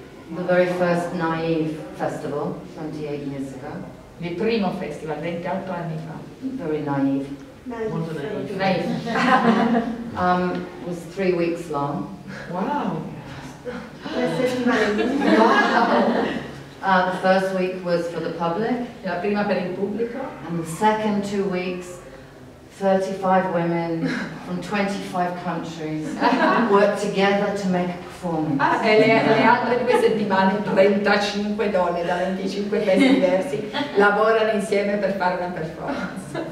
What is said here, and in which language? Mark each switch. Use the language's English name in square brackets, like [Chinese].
[English] the very first naive festival 28 years ago. [Italian] Il primo festival 28 anni fa. [English] Very naive. [Italian] Molto naive. [English] Was 3 weeks long. Wow. The first week was for the public. [Italian] La prima per il pubblico. [English] And the second 2 weeks 35 women from 25 countries work together to make a performance. [Italian] Ah, e le altre due settimane 35 donne da 25 paesi diversi lavorano insieme per fare una performance.